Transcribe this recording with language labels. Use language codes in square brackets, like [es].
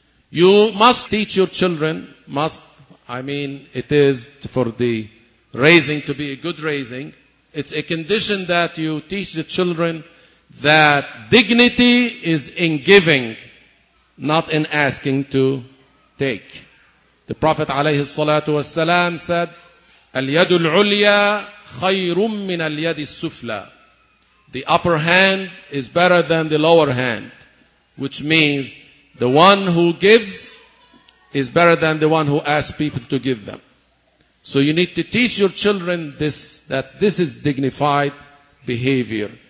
[en] You must teach your children, it is for the raising to be a good raising. It's a condition that you teach the children that dignity is in giving, not in asking to take. The Prophet [ar] عليه الصلاة والسلام [en] said, [ar] اليد العليا خير من اليد السفلى. [en] The upper hand is better than the lower hand, which means the one who gives is better than the one who asks people to give them. So you need to teach your children this, that this is dignified behavior.